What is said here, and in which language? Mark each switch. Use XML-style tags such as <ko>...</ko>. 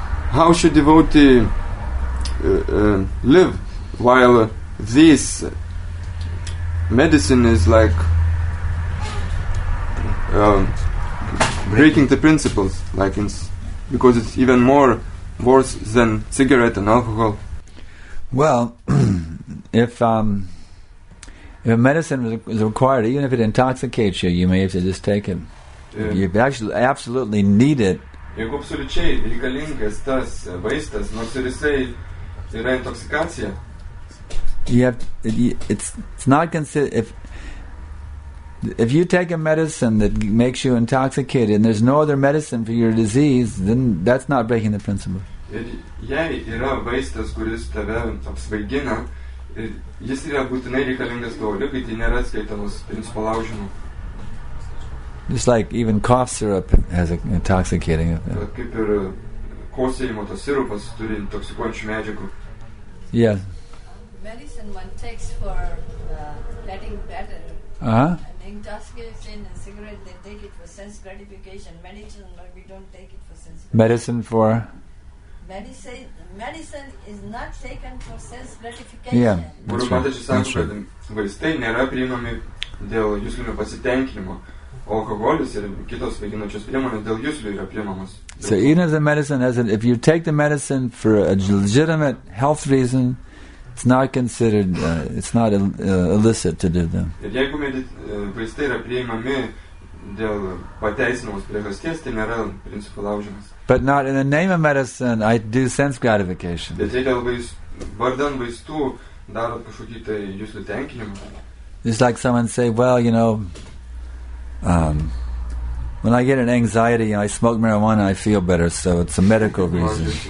<en>How should devotee live while this medicine is like breaking the principles, like because it's even more worse than cigarette and alcohol? Well, if medicine is required, even if it intoxicates you, you may have to just take it. Yeah. You actually absolutely need it.</en> <lt>Jeigu absoliučiai reikalingas tas vaistas, nors ir jisai yra intoxikacija.</lt> <en>If you take a medicine that makes you intoxicated and there's no other medicine for your disease, then that's not breaking the principle.</en> <lt>Jei yra vaistas, kuris tave apsvaigina, jis yra būtinai reikalingas tau ligai, tai nėra atskaitamas principo laužimu.</lt> <en>It's like even cough syrup has an intoxicating effect.</en> <lt>Kaip ir kosėjimo tas sirupas turi intoxikuojančių medžiagų.</lt> <en>Yeah. Medicine one takes for getting better. Uh-huh. And intoxication and cigarette, they take it for sense gratification. Medicine, we don't take it for sense gratification. Medicine for? Medicine is not taken for sense gratification. Yeah, that's right.</en> <lt>Vaistai nėra priimami dėl juslinio pasitenkinimo. Alkoholis ir kitos svaiginančios priemonės dėl juslių yra priimamos.</lt> <en>So even if the medicine has it, if you take the medicine for a legitimate health reason, it's not considered, it's not illicit to do them.</en> <lt>Ir jeigu vaistai yra priimami dėl pateisinamos priežasties, tai nėra principų laužimas.</lt> <en>But not in the name of medicine, I do sense gratification.</en> <lt>Bet jei dėl vardan vaistų darot kažkokį tai juslių tenkinimą.</lt> <en>It's like someone say, well, you know, when I get an anxiety and I smoke marijuana, I feel better, so it's a medical reason.</en>